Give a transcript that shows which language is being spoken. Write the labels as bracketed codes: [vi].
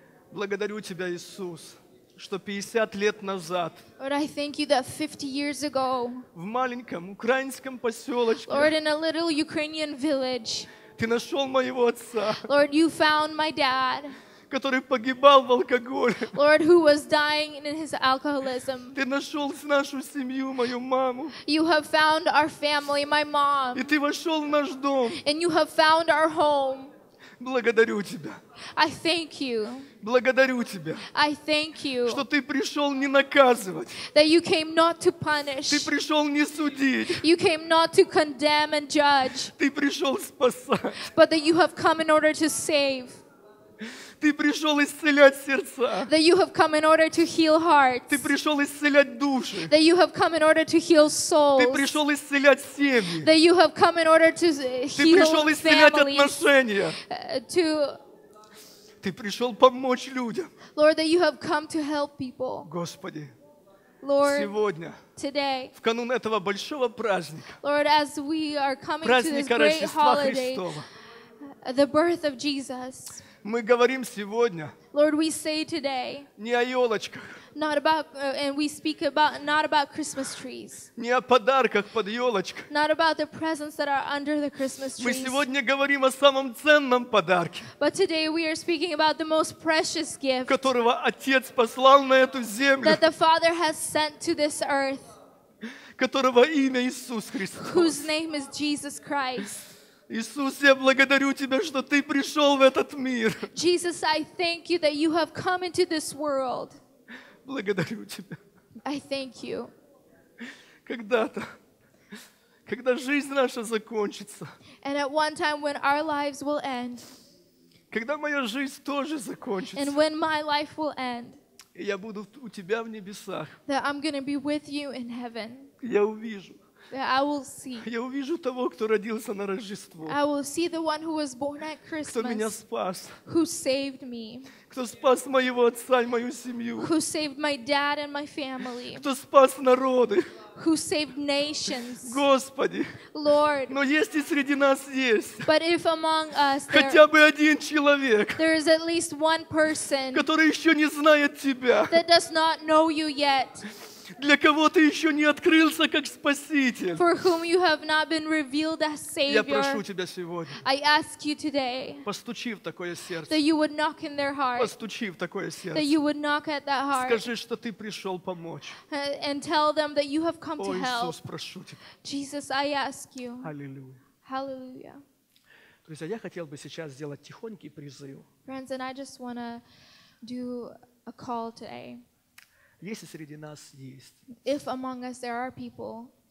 [ru] Благодарю Тебя, Иисус, что 50 лет назад [en] Lord, I thank you that 50 years ago, [ru] в маленьком украинском поселочке [en] Lord, in a little Ukrainian village, [ru] Ты нашел моего отца. [en] Lord, you found my dad. [ru] который погибал в алкоголе. [en] Lord, who was dying in his alcoholism. [ru] Ты нашел нашу семью, мою маму. [en] You have found our family, my mom. [ru] И ты вошел в наш дом. [en] And you have found our home. [ru] Благодарю тебя. [en] I thank you. [ru] Благодарю тебя. [en] I thank you. [ru] Что ты пришел не наказывать. [en] That you came not to punish. [ru] Ты пришел не судить. [en] You came not to condemn and judge. [ru] Ты пришел спасать. [en] But that you have come in order to save. [ru] Ты пришел исцелять сердца. [en] That you have come in order to heal hearts. [ru] Ты пришел исцелять души. [en] That you have come in order to heal souls. [ru] Ты пришел исцелять семьи. [en] That you have come in order to heal families. [ru] Ты пришел исцелять отношения. [en] To [ru] Ты пришел помочь людям. [en] Lord, that you have come to help people. [ru] Господи. [en] Lord, [ru] сегодня, [en] today, [ru] в канун этого большого праздника. [en] Lord, as we are coming [ru] праздника [en] to this great [ru] Рождества [en] holiday. [ru] Христова, [en] the birth of Jesus. [ru] Мы говорим сегодня. [en] Lord, we say today. [ru] Не о елочках. [en] Not about and we speak about not about Christmas trees. [ru] Не о подарках под елочкой. [en] Not about the presents that are under the Christmas trees. [ru] Мы сегодня говорим о самом ценном подарке. [en] But today we are speaking about the most precious gift. [ru] Которого Отец послал на эту землю. [en] That the Father has sent to this earth. [ru] Которого имя Иисус Христос. [en] Whose name is Jesus Christ. [ru] Иисус, я благодарю тебя, что ты пришел в этот мир. [en] Jesus, I thank you that you have come into this world. [ru] Благодарю тебя. [en] I thank you. [ru] Когда-то, когда жизнь наша закончится. [en] And at one time when our lives will end. [ru] Когда моя жизнь тоже закончится. [en] And when my life will end. [ru] И я буду у тебя в небесах. [en] That I'm going to be with you in heaven. [ru] Я увижу. [en] That I will see. [ru] Я увижу того, кто родился на Рождество. [en] I will see the one who was born at Christmas. [ru] Кто меня спас. [en] Who saved me. [ru] Кто спас моего отца и мою семью. [en] Who saved my dad and my family. [ru] Кто спас народы. [en] Who saved nations. [ru] Господи. [en] Lord. [ru] Но есть и среди нас есть. [en] But if among us there, [ru] хотя бы один человек. [en] There is at least one person. [ru] Который еще не знает тебя. [en] That does not know you yet. [ru] Для кого ты еще не открылся как Спаситель? [en] For whom you have not been revealed as Savior. [ru] Я прошу тебя сегодня. [en] I ask you today. [ru] Постучи в такое сердце. [en] That you would knock in their heart. [ru] Постучи в такое сердце. [en] That you would knock at that heart. [ru] Скажи, что ты пришел помочь. [en] And tell them that you have come [ru] О, [en] to [ru] Иисус, [en] help. [ru] О, Иисус, прошу тебя. [en] Jesus, I ask you. [ru] Аллилуйя. [en] Hallelujah. [ru] Друзья, я хотел бы сейчас сделать тихонький призыв. [en] Friends, and I just want to do a call today. [ru] Если среди нас есть [en] If among us there are people,